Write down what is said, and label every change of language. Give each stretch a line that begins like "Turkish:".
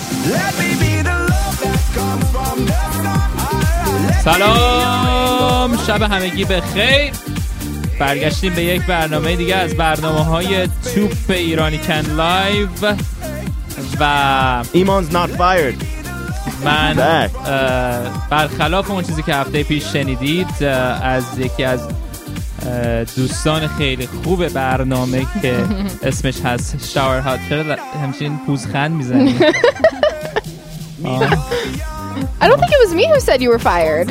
English: Let me be the love that comes from the sun.
Persian: سلام، شب همگی بخیر. برگشتیم به یک برنامه دیگه از برنامه‌های توپ ایرانی کن لایو. و
English: Iman's not fired.
Persian: من برخلاف اون چیزی که هفته پیش شنیدید، از یکی از دوستان خیلی خوب برنامه که اسمش هست شاور هاتر، همچنین پوزخند میزنیم.
English: I don't think it was me who said you were fired.